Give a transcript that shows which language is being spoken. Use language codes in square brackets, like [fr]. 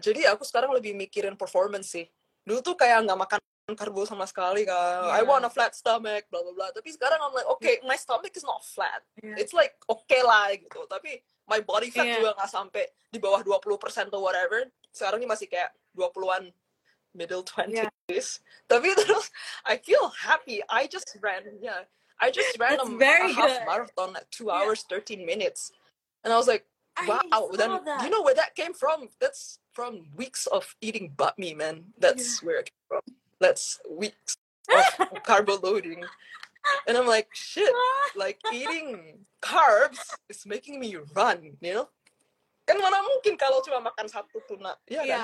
[id] Jadi aku sekarang lebih mikirin performance sih. Dulu tuh kayak enggak makan karbo sama sekali kan. [en] I want a flat stomach, blah blah [id] blah. Tapi sekarang [en] I'm like, okay, my stomach is not flat. It's like okay [id] lah gitu. Tapi [en] my body fat [id] juga enggak sampai di bawah 20% [en] or whatever. [id] Sekarang ini masih kayak 20-an, [en] middle 20s. [id] Tapi terus [en] I feel happy. I just ran. I just ran half marathon at 2 hours 13 minutes. And I was like, wow. Then, you know where that came from? That's from weeks of eating butt meat, man. That's where it came from. That's weeks of carbo loading. And I'm like, shit, like eating carbs is making me run, you know? [id] Kan mana mungkin kalau cuma makan satu tuna, ya kan?